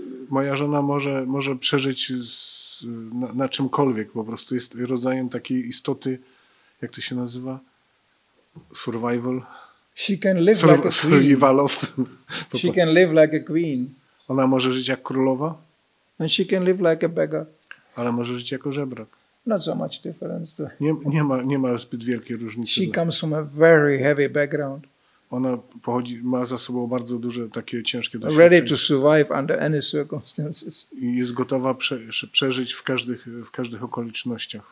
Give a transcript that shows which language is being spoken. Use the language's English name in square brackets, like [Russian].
[Polish] Moja żona może przeżyć na czymkolwiek, po prostu jest rodzajem takiej istoty, jak to się nazywa? [English] Survival. She can live like a queen. She can live like a queen. [Polish] Ona może żyć jak królowa. [English] And she can live like a beggar. [Polish] Ale może żyć jako żebrak. [English] Not so much difference. [Polish] Nie ma zbyt wielkiej różnicy. [English] She comes from a very heavy background. [Polish] Ona pochodzi, ma za sobą bardzo duże takie ciężkie doświadczenie. [English] Ready to survive under any circumstances. [Polish] I jest gotowa przeżyć w każdych okolicznościach.